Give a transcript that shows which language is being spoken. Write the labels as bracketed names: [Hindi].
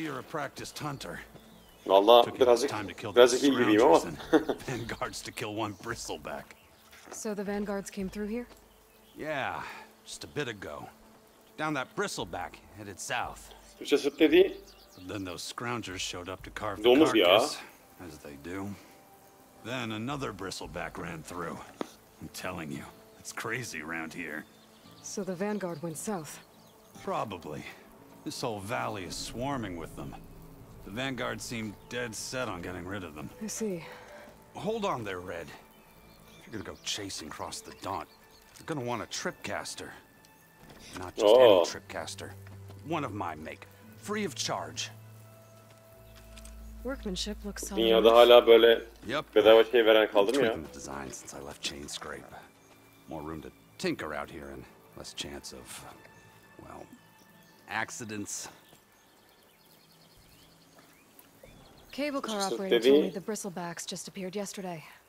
[English] Practiced hunter. [Turkish] Vallahi birazcık ilgiliyim ama. [English] Vanguards to kill one bristleback. So the vanguards came through here? Yeah, just a bit ago. Down that bristleback, headed south. [Turkish] Bristleback dedi. [English] Then those scroungers showed up to carve the carcass, as they do. Then another bristleback ran through. I'm telling you, it's crazy around here. So the vanguard went south. Probably. This whole valley is swarming with them. The vanguard seemed dead set on getting rid of them. I see. Hold on there, Red. If you're gonna go chasing across the Daunt, you're gonna want a tripcaster. Not just any tripcaster. One of my make. Free of charge. Workmanship looks solid. [Turkish] Dünyada hala böyle bedava şey veren kaldı mı ya? [English] Tweaking the design since I left Chainscrape. More room to tinker out here and less chance of, well... accidents. Cable car operator told me the bristlebacks just appeared yesterday.